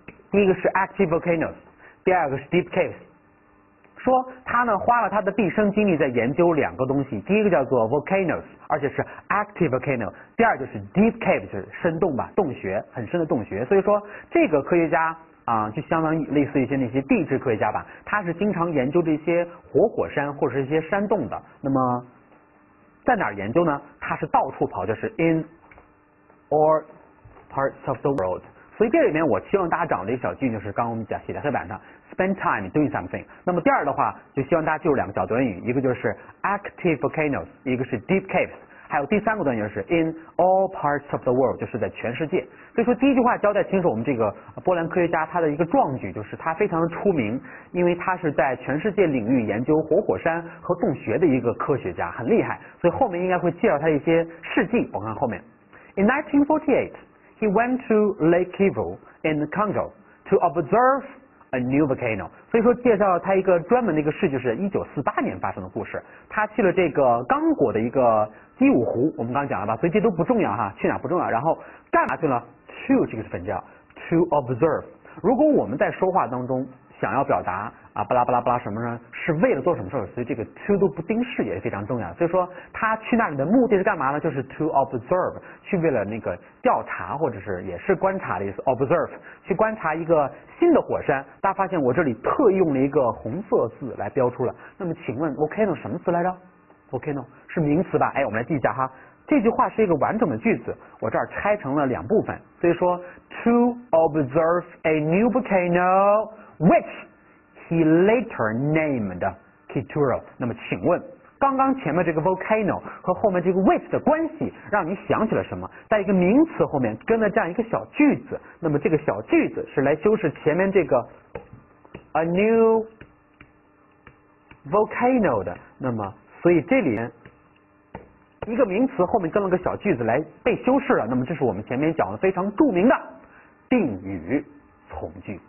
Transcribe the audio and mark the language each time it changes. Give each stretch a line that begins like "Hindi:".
Chinese: 第一个是
English: active volcanoes，
Chinese: 第二个是 deep caves。说他呢花了他的毕生精力在研究两个东西，第一个叫做 volcanoes， 而且是
English: active volcano，
Chinese: 第二就是
English: deep cave，
Chinese: 就是深洞吧，洞穴，很深的洞穴。所以说这个科学家就相当于类似一些那些地质科学家吧，他是经常研究这些火山或者是一些山洞的。那么在哪儿研究呢？他是到处跑，就是
English: in all parts of the world。
Chinese: 所以这里面我希望大家掌握的一个小句，就是刚刚我们讲写在黑板上
English: spend time doing something。
Chinese: 那么第二的话，就希望大家记住两个小短语，一个就是 active volcanoes， 一个是 deep caves， 还有第三个短语是
English: in all parts of the world，
Chinese: 就是在全世界。所以说第一句话交代清楚我们这个波兰科学家他的一个壮举，就是他非常的出名，因为他是在全世界领域研究火山和洞穴的一个科学家，很厉害。所以后面应该会介绍他的一些事迹，我看后面
English: in 1948He went to Lake Kivu in Congo to observe a new volcano.
Chinese: 所以说介绍他一个专门的一个事，就是1948年发生的故事。他去了这个刚果的一个基武湖，我们刚刚讲了吧，所以这都不重要哈，去哪不重要。然后干嘛去了 ？To 这个是分叫
English: to observe。
Chinese: 如果我们在说话当中想要表达巴拉巴拉巴拉什么呢，是为了做什么事，所以这个 to 都不定式也非常重要。所以说他去那里的目的是干嘛呢？就是
English: to observe，
Chinese: 去为了那个调查或者是也是观察的意思， observe 去观察一个新的火山。大家发现我这里特意用了一个红色字来标出了，那么请问 volcano 什么词来着？ volcano 是名词吧。哎，我们来记一下哈，这句话是一个完整的句子，我这儿拆成了两部分。所以说
English: to observe a new volcano which he later named Kituro。
Chinese: 那么请问刚刚前面这个 volcano 和后面这个 with 的关系让你想起了什么，在一个名词后面跟了这样一个小句子，那么这个小句子是来修饰前面这个
English: a new volcano
Chinese: 的。那么所以这里面一个名词后面跟了个小句子来被修饰了，那么这是我们前面讲的非常著名的定语从句。